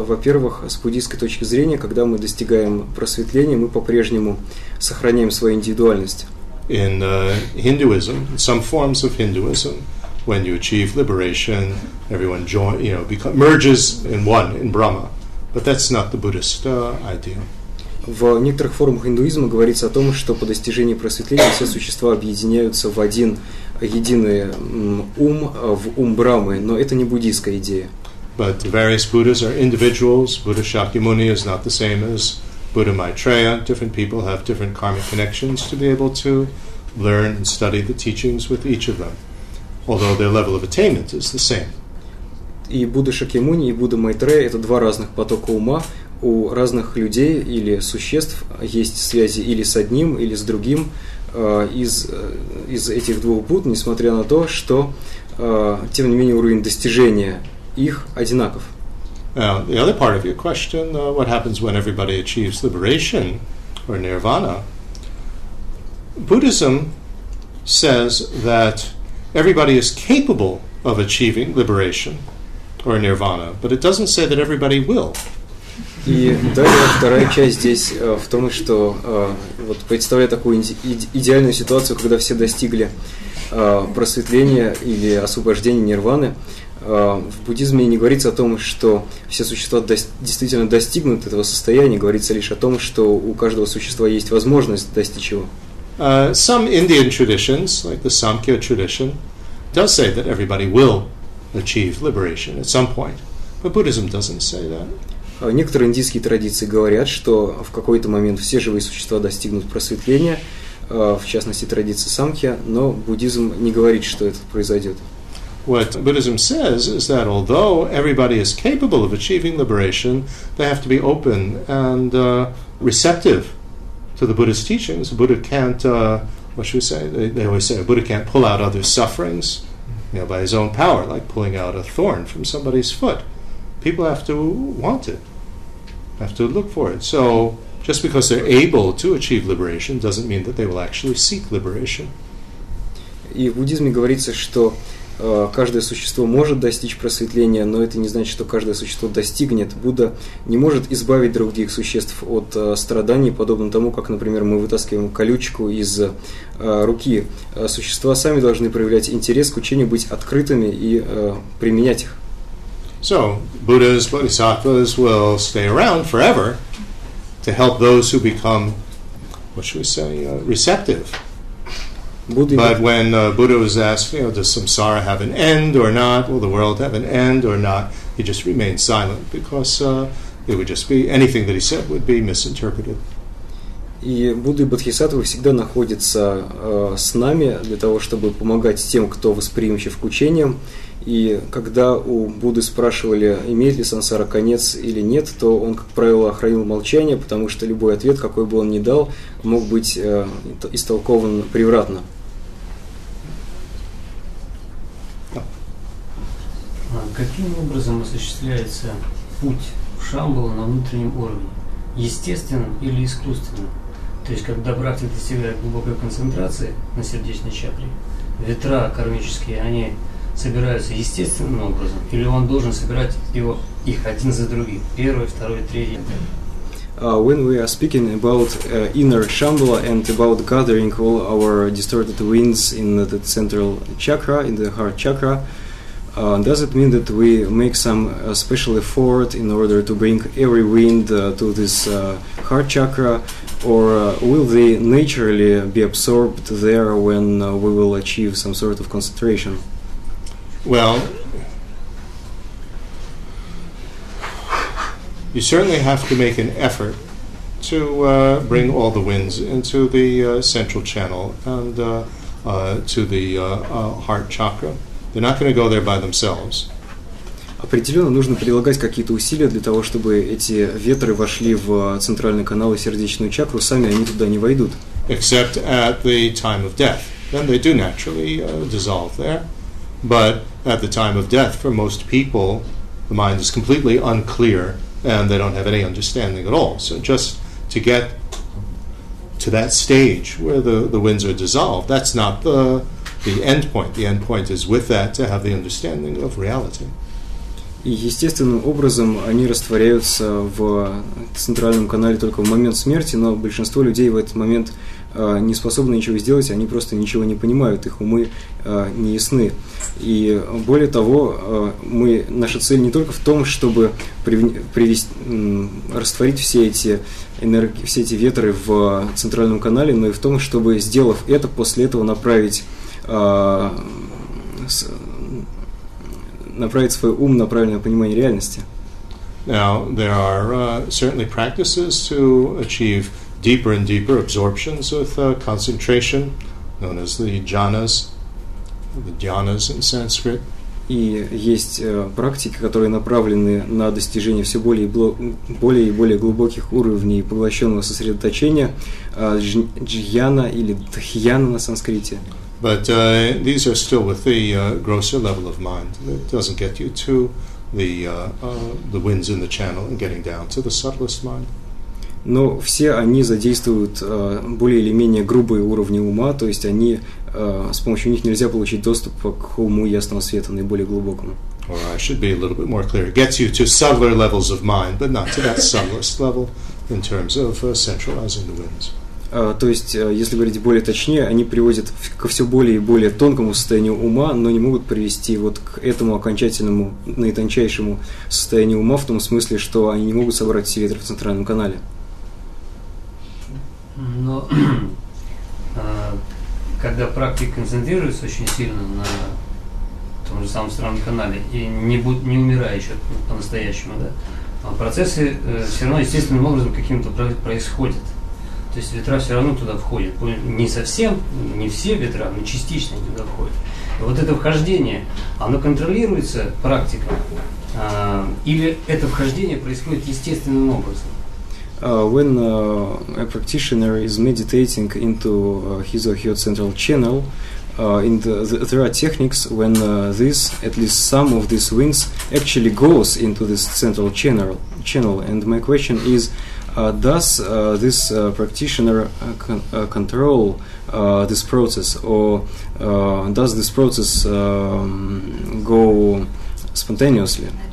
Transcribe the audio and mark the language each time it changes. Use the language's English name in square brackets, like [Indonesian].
[Russian] Во-первых, с буддийской точки зрения, когда мы достигаем просветления, мы по-прежнему сохраняем свою индивидуальность. [English] In Hinduism, some forms of Hinduism, when you achieve liberation, everyone merges in one, in Brahma. But that's not the Buddhist idea. [Russian] В некоторых формах индуизма говорится о том, что по достижении просветления все существа объединяются в один единый ум, в ум Брамы, но это не буддийская идея. [English] But the various Buddhas are individuals. Buddha Shakyamuni is not the same as Buddha Maitreya. Different people have different karmic connections to be able to learn and study the teachings with each of them, although their level of attainment is the same. [Russian] И Будда Шакьямуни, и Будда Майтрея — это два разных потока ума. У разных людей или существ есть связи или с одним, или с другим из этих двух Будд, несмотря на то, что, тем не менее, уровень достижения их одинаков. [English] Now, the other part of your question, what happens when everybody achieves liberation or nirvana? Buddhism says that everybody is capable of achieving liberation or nirvana, but it doesn't say that everybody will. [Russian] И далее вторая часть здесь в том, что вот представляя такую идеальную ситуацию, когда все достигли просветления или освобождения нирваны, в буддизме не говорится о том, что все существа действительно достигнут этого состояния, говорится лишь о том, что у каждого существа есть возможность достичь его. [English] Some Indian traditions, like the Samkhya tradition, does say that everybody will achieve liberation at some point, but Buddhism doesn't say that. [Russian] Некоторые индийские традиции говорят, что в какой-то момент все живые существа достигнут просветления, в частности традиции Самкхья, но буддизм не говорит, что это произойдет. [English] What Buddhism says is that although everybody is capable of achieving liberation, they have to be open and receptive to the Buddha's teachings. The Buddha can't what should we say? They always say a Buddha can't pull out other sufferings, you know, by his own power, like pulling out a thorn from somebody's foot. People have to want it, have to look for it. So just because they're able to achieve liberation doesn't mean that they will actually seek liberation. [Russian] И в буддизме говорится, что каждое существо может достичь просветления, но это не значит, что каждое существо достигнет. Будда не может избавить других существ от страданий, подобно тому, как, например, мы вытаскиваем колючку из руки. Существа сами должны проявлять интерес к учению, быть открытыми и применять их. [English] So, Buddhas, Bodhisattvas will stay around forever to help those who become, what should we say, receptive. But when Buddha was asked, you know, does samsara have an end or not? Will the world have an end or not? He just remained silent because it would just be anything that he said would be misinterpreted. [Russian] И Будды и Бодхисаттвы всегда находятся с нами для того, чтобы помогать тем, кто восприимчив к учениям. И когда у Будды спрашивали, имеет ли сансара конец или нет, то он, как правило, хранил молчание, потому что любой ответ, какой бы он ни дал, мог быть истолкован превратно. Каким образом осуществляется путь Шамбалы на внутреннем уровне? Естественно или искусственно? То есть, когда практик достигает глубокой концентрации на сердечной чакре, ветра кармические, они собираются естественным образом, или он должен собирать его, их один за другим, первый, второй, третий? [English] When we are speaking about inner Shambhala and about gathering all our distorted winds in the central chakra, in the heart chakra, does it mean that we make some special effort in order to bring every wind to this heart chakra, or will they naturally be absorbed there when we will achieve some sort of concentration? Well, you certainly have to make an effort to bring all the winds into the central channel and to the heart chakra. They're not going to go there by themselves. [Russian] Определенно нужно прилагать какие-то усилия для того, чтобы эти ветры вошли в центральный канал и сердечную чакру, сами они туда не войдут. [English] Except at the time of death. Then they do naturally dissolve there. But at the time of death, for most people, the mind is completely unclear and they don't have any understanding at all. So just to get to that stage where the winds are dissolved, that's not the end point. The end point is with that to have the understanding of reality. [Russian] И естественным образом они растворяются в центральном канале только в момент смерти, но большинство людей в этот момент не способны ничего сделать, они просто ничего не понимают, их умы не ясны. И более того, наша цель не только в том, чтобы растворить все эти ветры в центральном канале, но и в том, чтобы, сделав это, после этого направить свой ум на правильное понимание реальности. [English] Now, there are certainly practices to achieve deeper and deeper absorptions with concentration, known as the jhanas in Sanskrit. [Russian] И есть практики, которые направлены на достижение все более и более глубоких уровней поглощенного сосредоточения, джьяна или дхьяна на санскрите. [English] But these are still with the grosser level of mind. It doesn't get you to the winds in the channel and getting down to the subtlest mind. [Russian] Но все они задействуют более или менее грубые уровни ума, то есть они с помощью них нельзя получить доступ к уму ясного света наиболее глубокому. [English] Or I should be a little bit more clear. It gets you to subtler levels of mind, but not to that subtlest level in terms of centralizing the winds. [Russian] То есть, если говорить более точнее, они приводят ко все более и более тонкому состоянию ума, но не могут привести вот к этому окончательному, наитончайшему состоянию ума в том смысле, что они не могут собрать все ветры в центральном канале. Но когда практик концентрируется очень сильно на том же самом центральном канале и не умирая еще по-настоящему, да, процессы все равно естественным образом каким-то происходят. То есть ветра все равно туда входят. Не совсем, не все ветра, но частично туда входят. И вот это вхождение, оно контролируется практикой? Или это вхождение происходит естественным образом? [English] When a practitioner is meditating into his or her central channel, there are techniques when this, at least some of these wings, actually goes into this central channel. And my question is, does this practitioner control this process, or does this process go spontaneously?